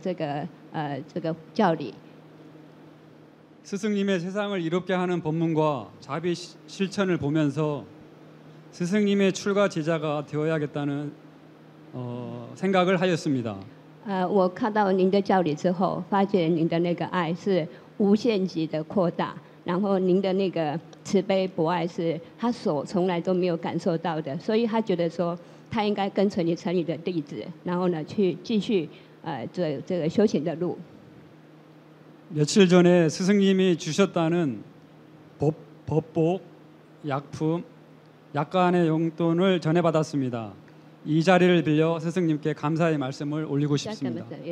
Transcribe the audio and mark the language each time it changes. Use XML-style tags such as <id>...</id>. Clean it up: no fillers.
<zh>我在韩国曾经就是一直修出家的生活，在偶然的机会就听闻师父的这个教理。</zh> <ko>스승님의 세상을 이롭게 하는 법문과 자비 실천을 보면서 스승님의 출가 제자가 되어야겠다는 생각을 하였습니다.</ko> <zh>我看到您的教理之后，发觉您的那个爱是无限级的扩大，然后您的那个慈悲博爱是他所从来都没有感受到的，所以他觉得说他应该跟随你成你的弟子，然后呢去继续这个修行的路。</zh> <ko>며칠 전에 스승님이 주셨다는 법복, 약품, 약관의 용돈을 전해받았습니다. 이 자리를 빌려 스승님께 감사의 말씀을 올리고 싶습니다.</ko>